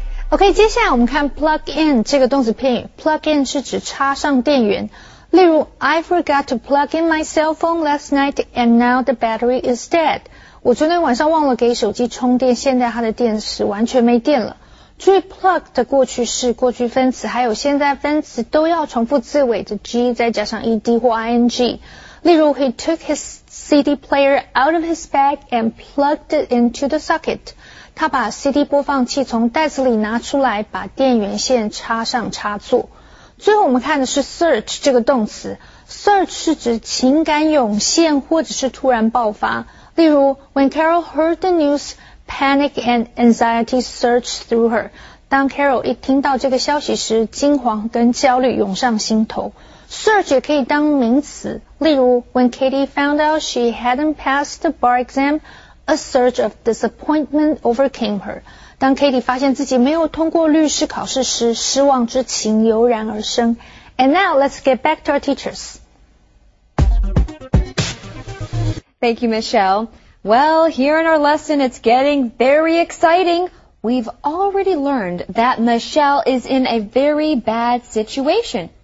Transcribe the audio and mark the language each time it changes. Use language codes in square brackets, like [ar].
[zh] OK, 接下来我们看 plug in 这个动词片语。plug in 是指插上电源。例如 [en] I forgot to plug in my cell phone last night and now the battery is dead. [zh] 我昨天晚上忘了给手机充电，现在它的电池完全没电了。注意 plug 的过去式、过去分词还有现在分词都要重复字尾的 g 再加上 ed 或 ing。例如 [en] He took his CD player out of his bag and plugged it into the socket. [zh] 他把 CD 播放器从袋子里拿出来，把电源线插上插座。最后我们看的是 search 这个动词。search 是指情感涌现或者是突然爆发。例如 [en] When Carol heard the news, panic and anxiety surged through her. [zh] 当 Carol 一听到这个消息时，惊慌跟焦虑涌上心头。 search 也可以当名词。例如 [en] When Katie found out she hadn't passed the bar exam, a surge of disappointment overcame her. [zh] 当 Katie 发现自己没有通过律师考试时，失望之情油然而生。 [en] And now, let's get back to our teachers. Thank you, Michelle. Well, here in our lesson, it's getting very exciting. We've already learned that Michelle is in a very bad situation.